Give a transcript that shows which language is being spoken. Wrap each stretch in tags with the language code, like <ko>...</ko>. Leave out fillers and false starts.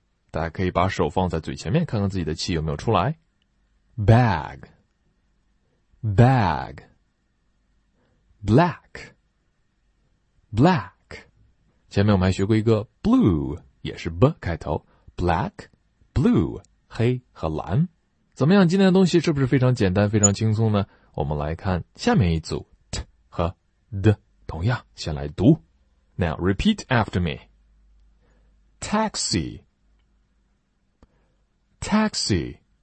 <zh>大家可以把手放在嘴前面，看看自己的气有没有出来。</zh> <en>Bag. Bag. Black. Black.</en> <zh>前面我们还学过一个 blue, 也是 b 开头。 Black, blue, 黑和蓝。怎么样，今天的东西是不是非常简单非常轻松呢？我们来看下面一组 t 和 d， 同样先来读。</zh> <en>Now repeat after me. Taxi. Taxi.</en>